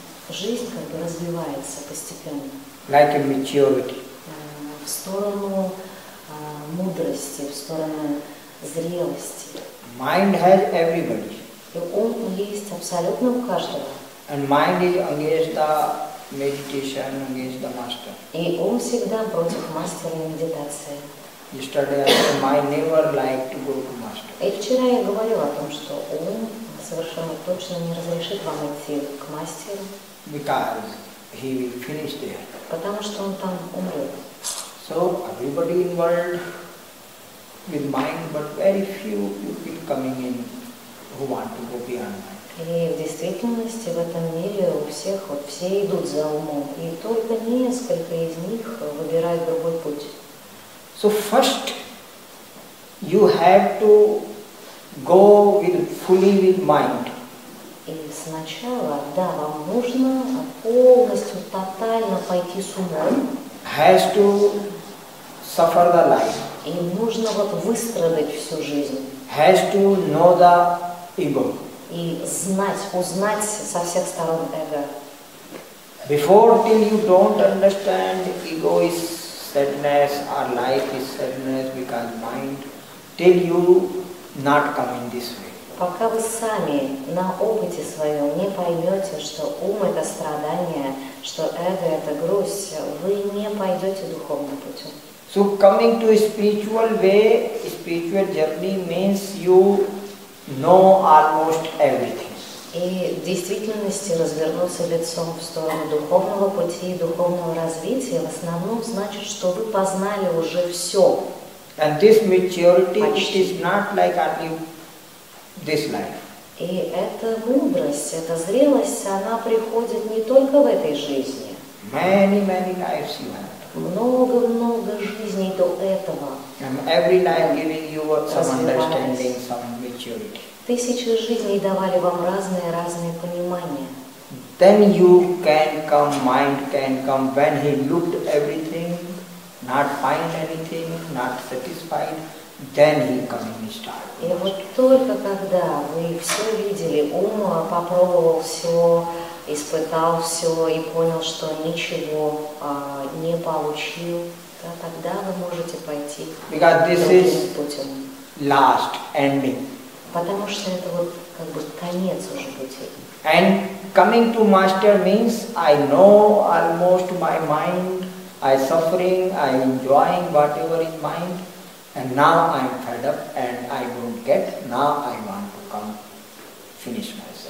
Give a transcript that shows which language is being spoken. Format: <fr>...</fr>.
<ru>Жизнь как бы развивается постепенно.</ru> <en>Like a maturity.</en> <ru>В сторону мудрости, в сторону зрелости.</ru> <en>Mind has everybody.</en> <ru>И ум есть абсолютно у каждого.</ru> <en>And mind is against the meditation, against the master.</en> <ru>И ум всегда против мастера и медитации.</ru> <en>Yesterday I said, my never liked to go to master.</en> <ru>И вчера я говорил о том, что ум совершенно точно не разрешит вам идти к мастеру.</ru> <en>Because he will finish there.</en> <ru>Потому что он там умрет.</ru> <en>So everybody in world with mind, but very few people coming in who want to go beyond mind.</en> <ru>И в действительности в этом мире у всех вот все идут за умом, и только несколько из них выбирают другой путь.</ru> <en>So first you have to go with fully with mind.</en> <ru>И сначала, да, вам нужно полностью, тотально пойти с умом.</ru> <en>Has to suffer the life.</en> <ru>И нужно вот выстрадать всю жизнь.</ru> <en>Has to know the ego.</en> <ru>И знать, узнать со всех сторон эго.</ru> <en>Before till you don't understand ego is sadness or life is sadness because mind, till you not come in this way.</en> <ru>Пока вы сами на опыте своем не поймете, что ум это страдание, что эго это грусть, вы не пойдете духовным путем.</ru> <en>So coming to a spiritual way, a spiritual journey means you know almost everything.</en> <ru>И в действительности развернуться лицом в сторону духовного пути и духовного развития в основном значит, что вы познали уже все.</ru> <en>And this maturity is not like only this life.</en> <ru>И эта мудрость, эта зрелость, она приходит не только в этой жизни.</ru> <en>Many, many lives you have.</en> <ru>Много-много жизней до этого.</ru> <en>And every life giving you some understanding, some maturity.</en> <ru>Тысячи жизней давали вам разные-разные понимания.</ru> <en>Then you can come, mind can come, when he looked everything, not find anything, not satisfied, then he coming start.</en> <ru>И вот только когда вы все видели, ум попробовал все, испытал все и понял, что ничего не получил, да, тогда вы можете пойти другим путем.</ru> <en>Last ending.</en> <ru>Потому что это вот как бы конец уже пути.</ru> <en>And coming to master means I know almost my mind, I suffering, I enjoying whatever is mind, and now I'm fed up and I don't get, now I want to come finish my.</en>